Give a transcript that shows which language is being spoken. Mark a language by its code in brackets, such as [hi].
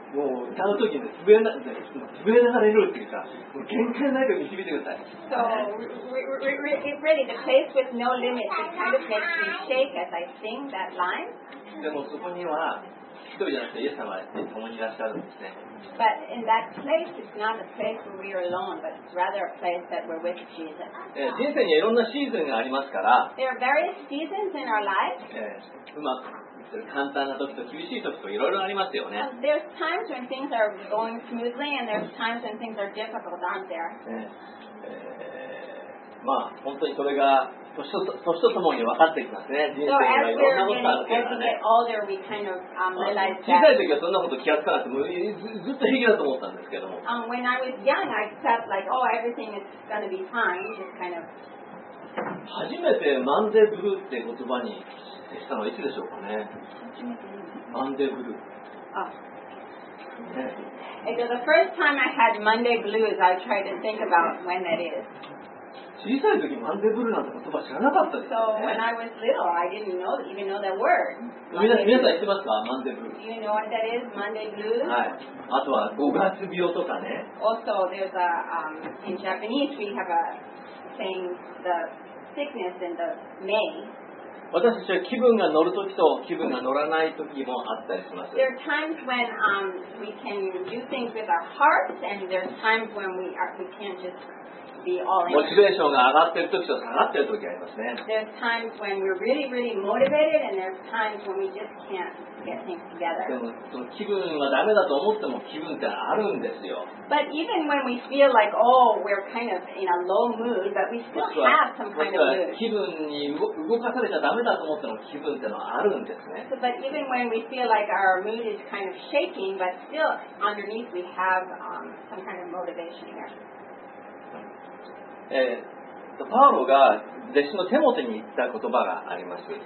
[ja] もう歌うときに潰れながら祈るっていうか、もう限界のないところに導いてください。 [en] So really, the place with no limits it kind of makes me shake as I sing that line. [ja] でもそこには。 [en] But in that place, it's not a place where we are alone, but rather a place that we're with Jesus. [ja] 人生にいろんなシーズンがありますから。 [en] There are various seasons in our life. [ja] うまく簡単な時と厳しい時といろいろありますよね。 [en] There's times when things are going smoothly, and there's times when things are difficult, aren't there? [ja] まあ本当にそれが。年とともに分かってきますね。人生がいろんなことあるからね。小さい時はそんなこと気がつかなくて、ずっと平気だと思ったんですけども。 [en] When I was young, I felt like, oh, everything is going to be fine. Just kind of. [ja] 初めてマンデブルーって言葉にしたのはいつでしょうかね。マンデブルー。あ。ね。 [en] The first time I had Monday blues, I tried to think about when that is. [ja] 小さい時マンデブルなんて言葉知らなかったですよね。 [en] So when I was little, I didn't know, even know that word. [ja] 皆さん知ってますか、マンデブル。 [en] Do you know what that is, Monday blues? [ja] はい。あとは五月病とかね。 [en] Also, there's a in Japanese we have a saying the sickness in the May. [ja] 私たちは気分が乗るときと気分が乗らないときもあったりします。 [en] There are times when we can do things with our hearts, and there's times when we can't just be all in. [ja] モチベーションが上がっているときと下がっているときありますね。 [en] There's times when we're really, really motivated, and there's times when we just can't get things together. [ja] でも、気分はダメだと思っても気分ってあるんですよ。 [en] But even when we feel like, oh, we're kind of in a low mood, but we still have some kind of mood. [ja] 気分に動かされちゃダメだと思っても気分ってのはあるんですね。 [en] But even when we feel like our mood is kind of shaking, but still underneath we have some kind of motivation here. [ja] パウロが弟子のテモテに言った言葉があります。